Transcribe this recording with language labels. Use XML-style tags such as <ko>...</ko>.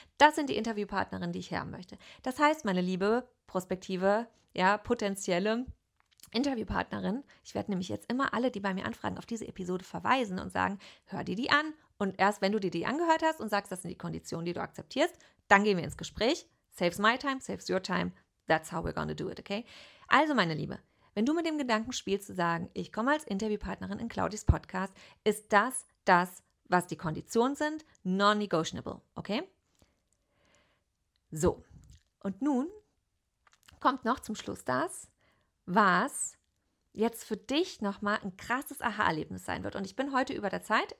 <de>Das sind die Interviewpartnerinnen, die ich haben möchte. Das heißt, meine liebe Prospektive, ja, potenzielle Interviewpartnerin. Ich werde nämlich jetzt immer alle, die bei mir anfragen, auf diese Episode verweisen und sagen, hör dir die an. Und erst wenn du dir die angehört hast und sagst, das sind die Konditionen, die du akzeptierst, dann gehen wir ins Gespräch.</de> <en>Saves my time, saves your time. That's how we're gonna do it, okay?</en> <de>Also, meine Liebe, wenn du mit dem Gedanken spielst zu sagen, ich komme als Interviewpartnerin in Claudis Podcast, ist das, was die Konditionen sind, non-negotiable, okay? So, und nun kommt noch zum Schluss das, was jetzt für dich nochmal ein krasses Aha-Erlebnis sein wird. Und ich bin heute über der Zeit.</de>